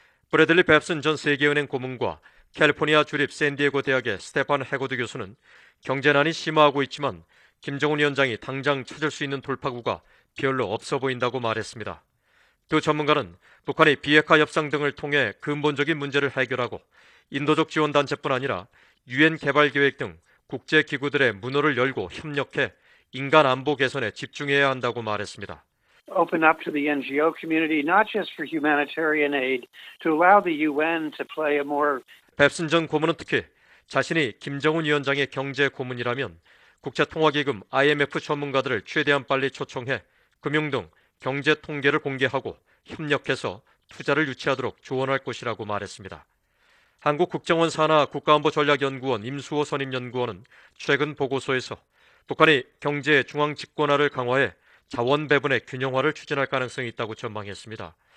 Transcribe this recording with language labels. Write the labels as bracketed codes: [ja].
[ko] 브래들리 뱁슨 전 세계은행 고문과 캘리포니아 주립 샌디에고 대학의 스테판 해고드 교수는 경제난이 심화하고 있지만 김정은 위원장이 당장 찾을 수 있는 돌파구가 별로 없어 보인다고 말했습니다. 두 전문가는 북한이 비핵화 협상 등을 통해 근본적인 문제를 해결하고 인도적 지원단체뿐 아니라 유엔 개발계획 등 국제기구들의 문호를 열고 협력해 인간 안보 개선에 집중해야 한다고 말했습니다. [en] Open up to the NGO community, not just for humanitarian aid, to allow the UN to play a more. [ko] 뱁슨 전 고문은 특히 자신이 김정은 위원장의 경제 고문이라면 국제통화기금 IMF 전문가들을 최대한 빨리 초청해 금융 등 경제 통계를 공개하고 협력해서 투자를 유치하도록 조언할 것이라고 말했습니다. 한국국정원 산하 국가안보전략연구원 임수호 선임연구원은 최근 보고서에서 북한이 경제의 중앙집권화를 강화해 자원 배분의 균형화를 추진할 가능성이 있다고 전망했습니다.